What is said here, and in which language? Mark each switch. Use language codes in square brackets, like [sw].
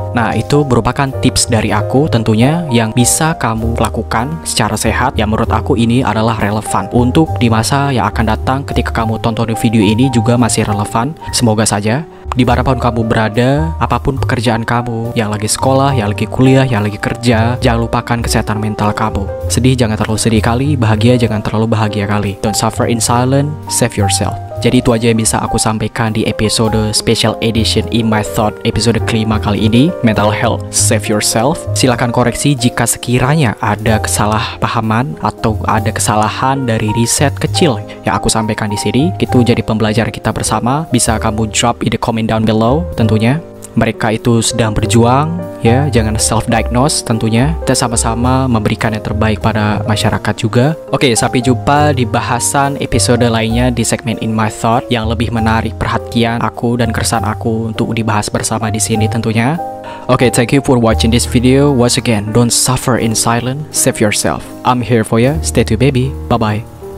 [id] Nah, itu merupakan tips dari aku tentunya yang bisa kamu lakukan secara sehat, yang menurut aku ini adalah relevan untuk di masa yang akan datang. Ketika kamu tonton video ini juga masih relevan, semoga saja. dimanapun kamu berada, apapun pekerjaan kamu, yang lagi sekolah, yang lagi kuliah, yang lagi kerja, jangan lupakan kesehatan mental kamu. Sedih jangan terlalu sedih kali, bahagia jangan terlalu bahagia kali. [en] Don't suffer in silence, save yourself. [id] Jadi itu aja yang bisa aku sampaikan di episode special edition In My Thought episode kelima kali ini, [en] mental health, save yourself. [id] Silakan koreksi jika sekiranya ada kesalahpahaman atau ada kesalahan dari riset kecil yang aku sampaikan di sini. Itu jadi pembelajaran kita bersama. Bisa kamu [en] drop in the comment down below [id] tentunya. Mereka itu sedang berjuang, ya, jangan self-diagnose tentunya. Kita sama-sama memberikan yang terbaik pada masyarakat juga. Oke, sampai jumpa di bahasan episode lainnya di segmen In My Thought yang lebih menarik perhatian aku dan keresahan aku untuk dibahas bersama di sini tentunya. [en] Oke, thank you for watching this video. Once again, don't suffer in silence, save yourself. I'm here for you, stay tuned baby, bye-bye.